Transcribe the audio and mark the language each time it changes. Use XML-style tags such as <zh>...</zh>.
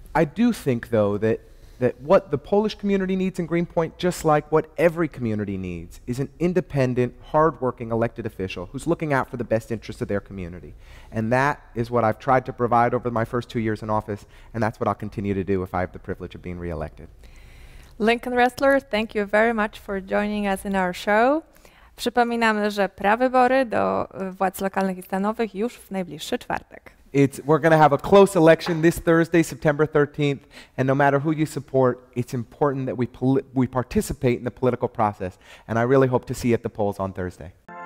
<en>I do think, though, that what the Polish community needs in Greenpoint, just like what every community needs, is an independent, hardworking elected official who's looking out for the best interests of their community. And that is what I've tried to provide over my first 2 years in office, and that's what I'll continue to do if I have the privilege of being reelected. Lincoln Restler, thank you very much for joining us in our show.</en> <pl>Przypominamy, że prawybory do władz lokalnych i stanowych już w najbliższy czwartek.</pl> <en>We're going to have a close election this Thursday, September 13th, and no matter who you support, it's important that we participate in the political process, and I really hope to see you at the polls on Thursday.</en>